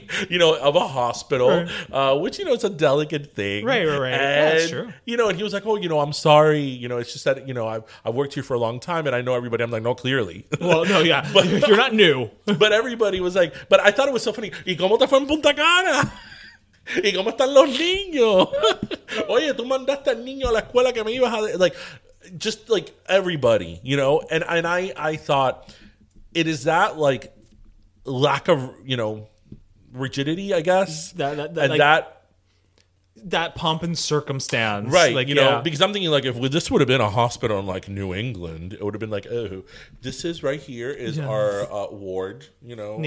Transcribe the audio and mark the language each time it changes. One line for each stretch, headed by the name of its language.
English: You know, of a hospital, which, you know, it's a delicate thing. Right. And, yeah, that's true. You know, and he was like, oh, you know, I'm sorry. You know, it's just that, you know, I've worked here for a long time and I know everybody. I'm like, no, clearly. Well, no, yeah. But you're not new. But everybody was like, but I thought it was so funny.
Spanish: ¿Y cómo te fue en Punta Cana? ¿Y cómo están los niños? Oye, tú mandaste al niño a la escuela que me ibas a...
English: Like, just like everybody, you know? And I thought, it is that, like, lack of, you know, rigidity, I guess? That pomp and circumstance. Right, like, you know, because I'm thinking, like, if this would have been a hospital in, like, New England, it would have been like, oh, this is right here is our ward, you know.